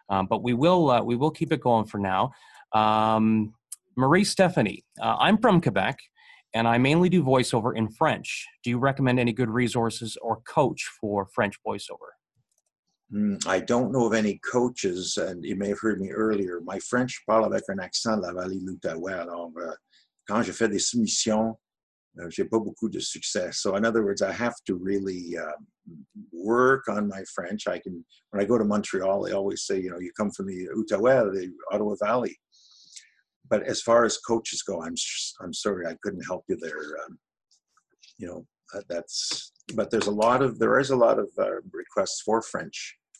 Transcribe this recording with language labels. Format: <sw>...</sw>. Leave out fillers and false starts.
<en>But we will keep it going for now. Marie Stephanie, I'm from Quebec and I mainly do voiceover in French. Do you recommend any good resources or coach for French voiceover? I don't know of any coaches, and you may have heard me earlier. My French</en> <fr>parle avec un accent la vallée de l'Outaouais. Alors, quand je fais des soumissions, j'ai pas beaucoup de succès.</fr> <en>So in other words, I have to really work on my French. I can, when I go to Montreal, they always say, you know, you come from the Outaouais, the Ottawa Valley. But as far as coaches go, I'm sorry, I couldn't help you there. You know, that's... But there is a lot of requests for French.</en>